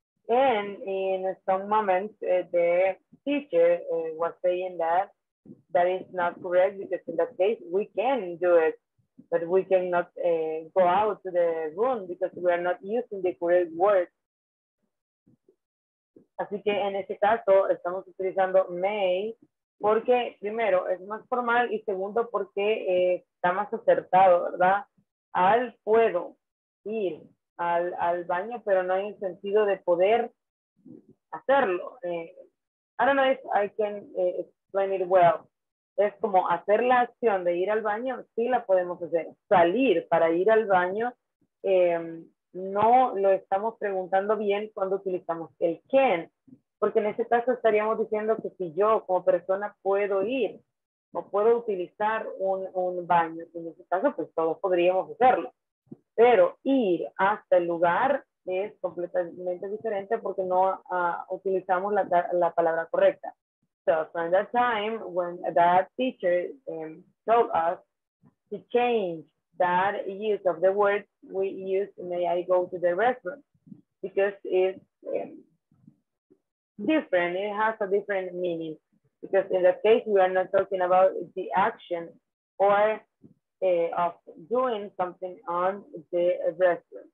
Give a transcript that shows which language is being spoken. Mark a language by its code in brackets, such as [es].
[en] And in some moments, the teacher was saying that is not correct, because in that case, we can do it. But we cannot go out to the room because we are not using the correct word. [es] Así que en este caso estamos utilizando may porque primero es más formal y segundo porque está más acertado, ¿verdad? Al puedo ir al baño, pero no hay un sentido de poder hacerlo. [en] I don't know if I can explain it well. [es] Es como hacer la acción de ir al baño, sí la podemos hacer. Salir para ir al baño, no lo estamos preguntando bien cuando utilizamos el can. Porque en ese caso estaríamos diciendo que si yo como persona puedo ir o puedo utilizar un baño, en ese caso pues todos podríamos hacerlo. Pero ir hasta el lugar es completamente diferente porque no utilizamos la palabra correcta. [en] So from that time when that teacher told us to change that use of the word, we use may I go to the restroom, because it's different, it has a different meaning, because in that case we are not talking about the action or of doing something on the restroom.